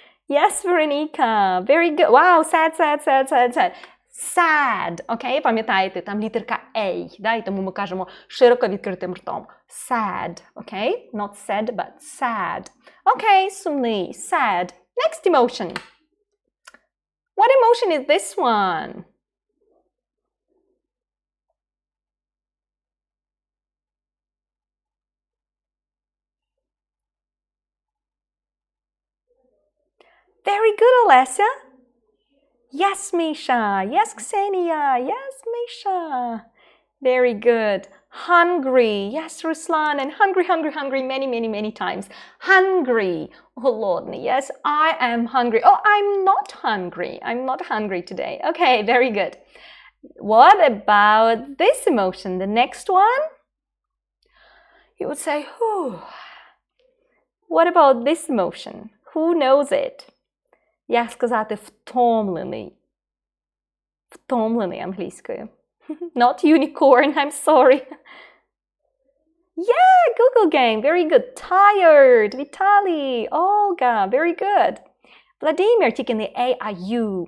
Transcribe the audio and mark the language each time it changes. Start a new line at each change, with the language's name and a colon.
English: Yes, Вероніка. Very good. Wow, sad, sad, sad, sad, sad. Sad.
Ukrainian: Okay, пам'ятаєте, там літерка A, да? І тому ми кажемо широко відкритим ртом.
English: Sad. Okay? Not sad, but sad.
Ukrainian: Okay, сумний.
English: Sad. Next emotion. What emotion is this one? Very good, Alessia. Yes, Misha. Yes, Ksenia. Yes, Misha. Very good. Hungry. Yes, Ruslan. And hungry, hungry, hungry many, many, many times. Hungry. Голодний. Yes, I am hungry. Oh, I'm not hungry. I'm not hungry today. Okay, very good. What about this emotion? The next one? You would say, whew. What about this emotion? Who knows it?
Ukrainian: Я сказати втомлений. Втомлений англійською.
English: Not unicorn, I'm sorry. Yeah, Google Game, very good. Tired, Vitali, Olga, very good.
Ukrainian: Владимир, тільки не A, а U.